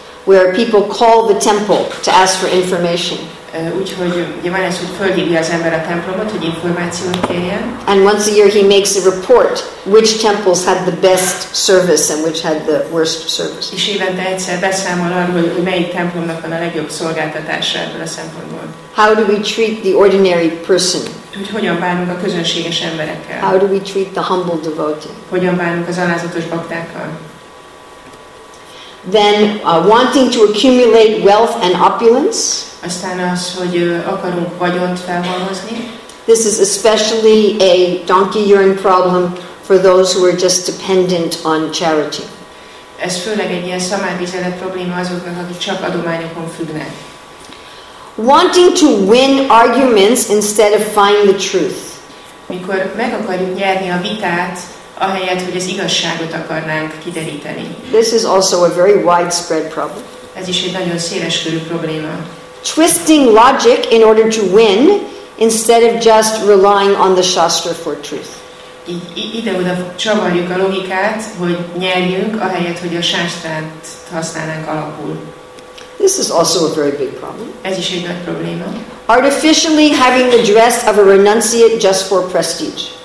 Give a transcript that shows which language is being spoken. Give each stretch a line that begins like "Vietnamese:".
English: Where people call the temple to ask for information.
Hungarian: Úgyhogy ugye van ez, hogy fölhívja az ember a templomot, hogy információt kérjen.
English: And once a year he makes a report which temples had the best service and which had the worst service.
Hungarian: És évente egyszer beszámol arról, hogy melyik templomnak van a legjobb szolgáltatása ebből a szempontból.
English: How do we treat the ordinary person?
Hungarian: Hogy hogyan bánunk a közönséges emberekkel?
English: How do we treat the humble devotee?
Hungarian: Hogyan bánunk az alázatos baktákkal?
English: Then wanting to accumulate wealth and opulence.
Hungarian: Aztán az, hogy akarunk vagyont felhalmozni.
English: This is especially a donkey urine problem for those who are just dependent on charity.
Hungarian: Ez főleg egy ilyen szamárvizelet probléma azoknak, akik csak adományokon függnek.
English: Wanting to win arguments instead of find the truth.
Hungarian: Mikor meg akarjuk nyerni a vitát, ahelyett, hogy az igazságot akarnánk kideríteni.
English: This is also a very widespread problem.
Hungarian: Ez is egy nagyon széleskörű probléma.
English: twisting logic in order to win instead of just relying on the Shastra for truth.
Hungarian: Ide-oda csavarjuk a logikát, hogy nyerjünk, ahelyett, hogy a sástrát használnánk alapul.
English: This is also a very big problem.
Hungarian: Ez is egy nagy probléma.
English: Artificially having the dress of a renunciate just for prestige.